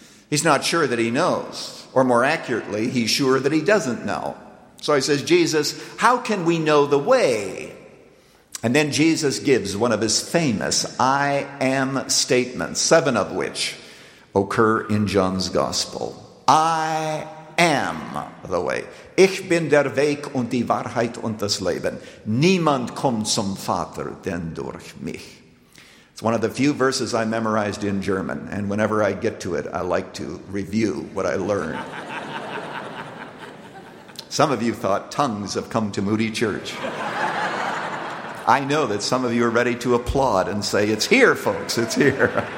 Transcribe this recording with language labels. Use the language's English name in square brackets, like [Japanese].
[English] He's not sure that he knows, or more accurately, he's sure that he doesn't know. So he says, Jesus, how can we know the way? And then Jesus gives one of his famous I am statements, seven of which occur in John's Gospel. I am the way. [German] Ich bin der Weg und die Wahrheit und das Leben. Niemand kommt zum Vater denn durch mich. [English] It's one of the few verses I memorized in German, and whenever I get to it, I like to review what I learned. Some of you thought tongues have come to Moody Church. I know that some of you are ready to applaud and say, it's here, folks, it's here.